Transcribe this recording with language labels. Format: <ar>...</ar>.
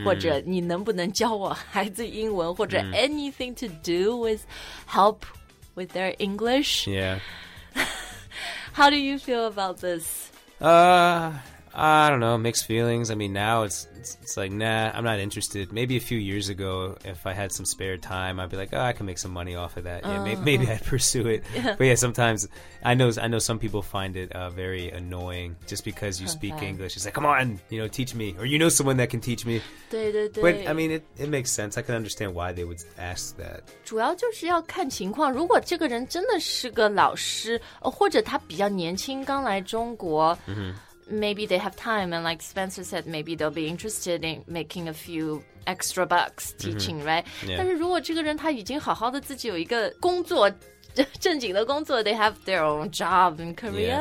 <zh>或者你能不能教我孩子英文？或者</zh> <en>anything to do with help with their English？ Yeah. How do you feel about this？ I don't know, mixed feelings. I mean, now it's like, nah, I'm not interested. Maybe a few years ago, if I had some spare time, I'd be like, oh, I can make some money off of that. Yeah, maybe I'd pursue it. Yeah. But yeah, sometimes I know some people find it very annoying just because you speak English. It's like, come on, you know, teach me. Or you know someone that can teach me.</en> <zh>对。</zh> <en>But I mean, it makes sense. I can understand why they would ask that.</en> <zh>主要就是要看情况。如果这个人真的是个老师，或者他比较年轻，刚来中国。 Mm-hmm.</zh> <en>Maybe they have time, and like Spencer said, maybe they'll be interested in making a few extra bucks teaching, mm-hmm. right? Yeah.</en> <zh>但是如果这个人他已经好好的自己有一个工作，正经的工作 ，</zh> <en>they have their own job in Korea.</en>